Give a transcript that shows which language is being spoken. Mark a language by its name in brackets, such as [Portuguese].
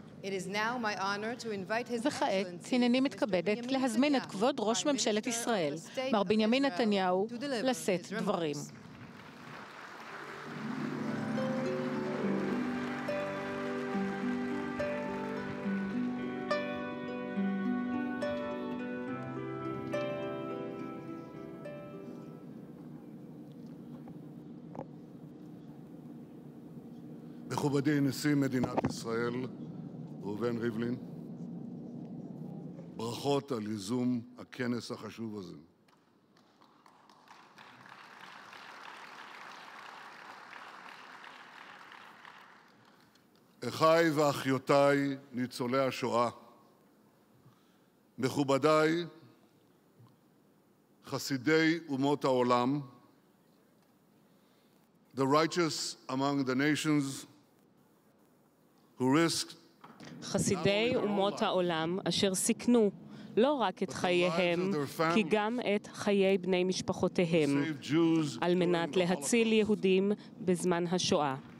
[English] It is now my honor to invite his excellency. [Hebrew] הנני מתכבדת להזמין את כבוד ראש ממשלת ישראל, מר בנימין נתניהו, לשאת דברים. מכובדי נשיא מדינת ישראל ראובן ריבלין, ברכות על ייזום הכנס החשוב הזה. אחיי ואחיותיי ניצולי השואה, מכובדיי חסידי אומות העולם, [English] the righteous among the nations who risked [Hebrew] חסידי אומות העולם אשר סיכנו לא רק את חייהם, כי גם את חיי בני משפחותיהם, על מנת להציל יהודים בזמן השואה.